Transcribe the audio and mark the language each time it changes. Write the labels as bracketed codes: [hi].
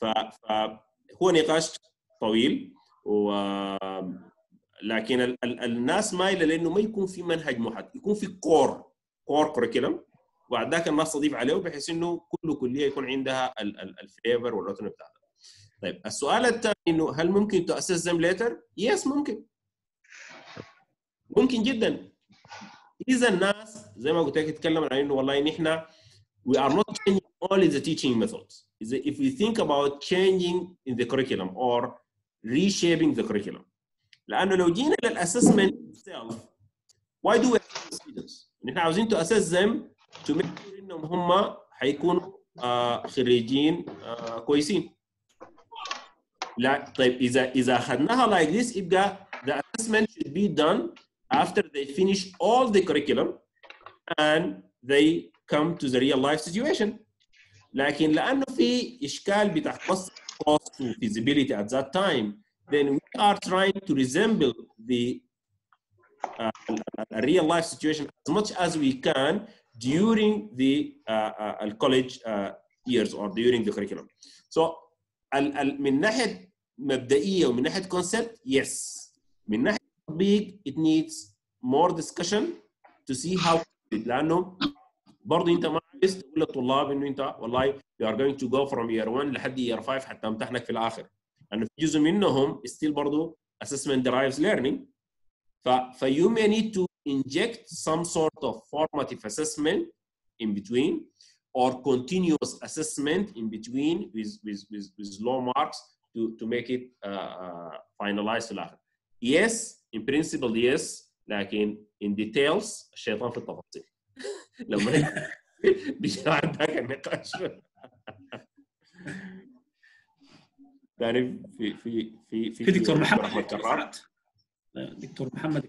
[ar] فهو نقاش طويل، ولكن الناس مايلة لأنه ما يكون في منهج موحد، يكون في [en] core curriculum، [ar] وبعد ذاك الناس تضيف عليه بحيث إنه كل كلية يكون عندها الفليفر والروتين بتاعها. طيب، السؤال الثاني إنه هل ممكن تؤسس [en] them later؟ yes، [ar] ممكن جدا، إذا الناس زي ما قلت لك تتكلم عن إنه والله نحنا [en] we are not changing only the teaching methods، [ar] إذا [en] if we think about changing in the curriculum [ar] or reshaping the curriculum، لأنه لو جينا للassessment itself، [en] why do we have students؟ [ar] نحن عاوزين [en] to assess them to make sure [ar] إنهم هم هيكون خريجين كويسين. لا، طيب إذا أخذناها [en] like this، [ar] يبقى [en] the assessment should be done after they finish all the curriculum and they come to the real life situation. [ar] لكن لأنه في إشكال بتاع [en] cost and feasibility at that time، then we are trying to resemble the real life situation as much as we can during the college years or during the curriculum. [ar] So من ناحية مبدئية ومن ناحية concept، yes. من ناحية [en] topic، it needs more discussion to see how it. [ar] لأنه برضو أنت ما عايز تقول للطلاب إنه أنت والله [en] you are going to go from year one [ar] لحد year five حتى امتحنك في الآخر. لأنه في جزء منهم still برضو [en] assessment drives learning. You may need to inject some sort of formative assessment in between or continuous assessment in between with low marks to make it finalized. Yes, in principle, yes. [ar] لكن [en] in details، [ar] الشيطان في التفاصيل. لما بيجي عندك النقاش يعني في دكتور محمد كررت. دكتور محمد